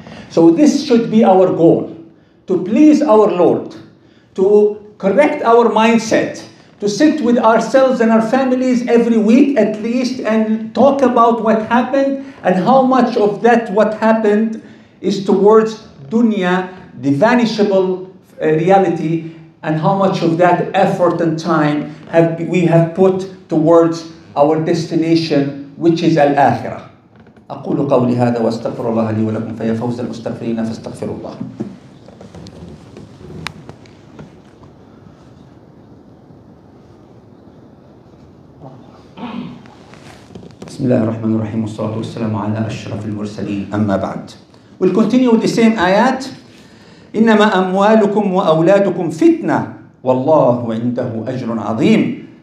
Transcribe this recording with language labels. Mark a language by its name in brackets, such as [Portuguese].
[English] So this should be our goal, to please our Lord, to correct our mindset, to sit with ourselves and our families every week at least and talk about what happened and how much of that what happened is towards dunya, the vanishable reality, and how much of that effort and time have we have put towards our destination, which is al-akhirah. [Arabic] أقول قولي هذا واستغفر الله لي ولكم فيا فوز المستغفرين فاستغفر الله. بسم الله الرحمن الرحيم والصلاة والسلام على أشرف المرسلين أما بعد. [English] We'll continue with the same ayat. [Arabic] إنما أموالكم وأولادكم فتنة والله عنده أجر عظيم.